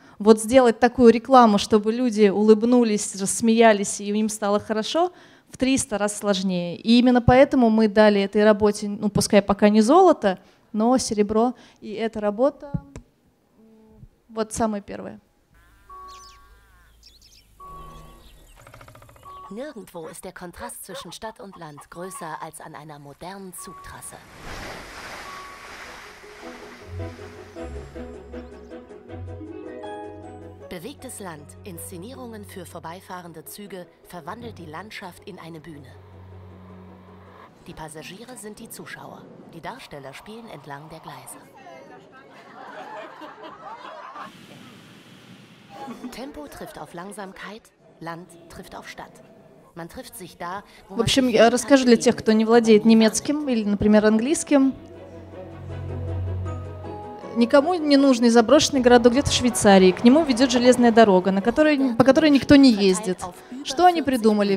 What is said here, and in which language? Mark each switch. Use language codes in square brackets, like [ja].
[ru] Вот сделать такую рекламу, чтобы люди улыбнулись, рассмеялись, и им стало хорошо, в 300 раз сложнее. И именно поэтому мы дали этой работе, ну, пускай пока не золото, но серебро. И эта работа вот самая первая. [de] Nirgendwo ist der Kontrast zwischen Stadt und Land größer als an einer modernen Zugtrasse. Bewegtes Land, Inszenierungen für vorbeifahrende Züge verwandelt die Landschaft in eine Bühne. Die Passagiere sind die Zuschauer, die Darsteller spielen entlang der Gleise. Tempo trifft auf Langsamkeit, Land trifft auf Stadt. [ru] В общем, я расскажу для тех, кто не владеет немецким или, например, английским. Никому не нужный заброшенный городок где-то в Швейцарии. К нему ведет железная дорога, по которой никто не ездит. Что они придумали?